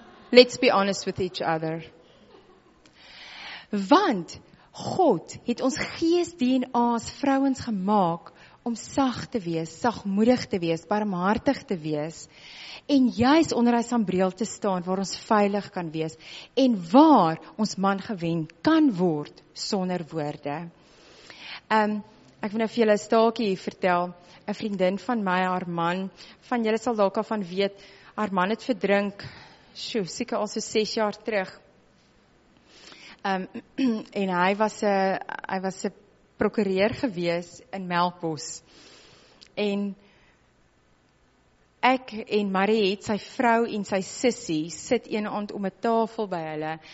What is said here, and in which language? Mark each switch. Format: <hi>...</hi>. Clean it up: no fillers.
<en>Let's be honest with each other.</en> <af>Want God het ons gees DNA as vrouens gemaak om sag te wees, sagmoedig te wees, barmhartig te wees en juist onder hy sambreel te staan waar ons veilig kan wees en waar ons man gewen kan word sonder woorde. Ek wil nou vir julle 'n staaltjie hier vertel. 'N vriendin van my, haar man, van julle sal dalk al van weet, haar man het verdrink. Sjoe, seker al so 6 jaar terug. En hy was 'n prokureur gewees in Melkbos. En ek en Marie het sy vrou en sy sussie sit een aand om 'n tafel by hulle.</af>